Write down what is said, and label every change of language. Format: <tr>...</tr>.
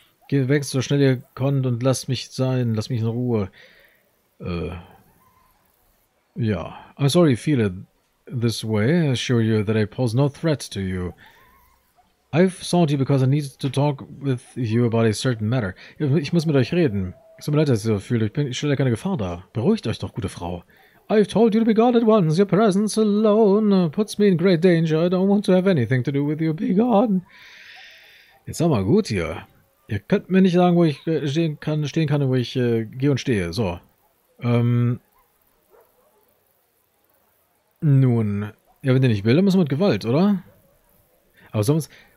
<de>Geh weg, so schnell ihr könnt und lasst mich sein. Lasst mich in Ruhe.</de> <en>Ja, I'm sorry you feel it this way. I assure you that I pose no threat to you. I've sought you because I needed to talk with you about a certain matter.</en> <de>Ich muss mit euch reden. Es tut mir leid, dass ihr so fühlt. Ich stelle keine Gefahr dar. Beruhigt euch doch, gute Frau.</de> <en>I've told you to be gone at once. Your presence alone puts me in great danger. I don't want to have anything to do with you. Be gone.</en> <de>Jetzt sag mal gut hier. Ihr könnt mir nicht sagen, wo ich stehen kann und wo ich gehe und stehe. So. Nun, ja, wenn der nicht will, dann muss man mit Gewalt, oder? Aber sonst.</de>